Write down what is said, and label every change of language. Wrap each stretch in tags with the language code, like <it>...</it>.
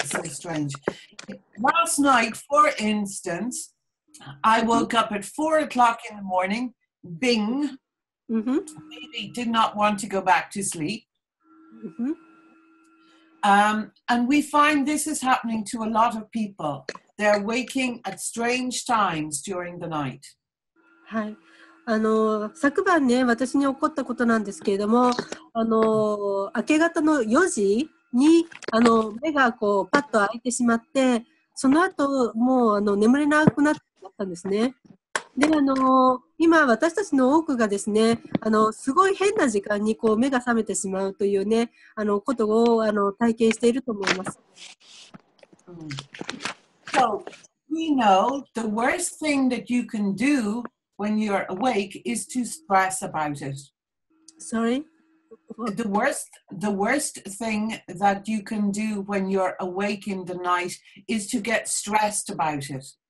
<en>So strange. Last night, for instance, I woke up at 4 o'clock in the morning. Bing. Mm-hmm. Baby did not want to go back to sleep. Mm-hmm. And we find this is happening to a lot of people. They're waking at strange times during the night.</en> <ja>はい。昨晩ね、私に起こったことなんですけれども、明け方の4時に目がこうパッと開いてしまって、その後もう眠れなくなっちゃったんですね。で、今私たちの多くがですね、すごい変な時間にこう目が覚めてしまうというね、ことを体験していると思います。</ja> <en>So we know the worst thing that you can do when you're awake is to stress about it. Sorry? The worst thing that you can do when you're awake in the night is to get stressed about it.</en>